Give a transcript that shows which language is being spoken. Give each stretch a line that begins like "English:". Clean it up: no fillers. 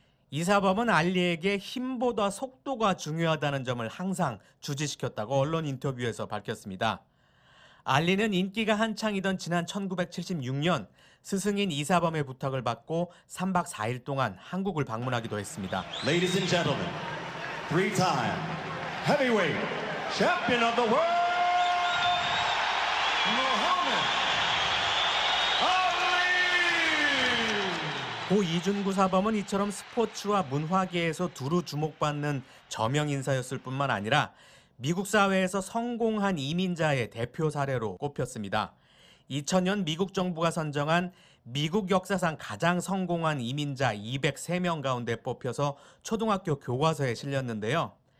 Korean: 이사범은 알리에게 힘보다 속도가 중요하다는 점을 항상 주지시켰다고 언론 인터뷰에서 밝혔습니다. 알리는 인기가 한창이던 지난 1976년 스승인 이사범의 부탁을 받고 3박 4일 동안 한국을 방문하기도 했습니다.
English: Ladies and gentlemen, three-time heavyweight champion of the world, Muhammad Ali!
Korean: 고 이준구 사범은 이처럼 스포츠와 문화계에서 두루 주목받는 저명 인사였을 뿐만 아니라 미국 사회에서 성공한 이민자의 대표 사례로 꼽혔습니다. 2000년 미국 정부가 선정한 미국 역사상 가장 성공한 이민자 203명 가운데 뽑혀서 초등학교 교과서에 실렸는데요.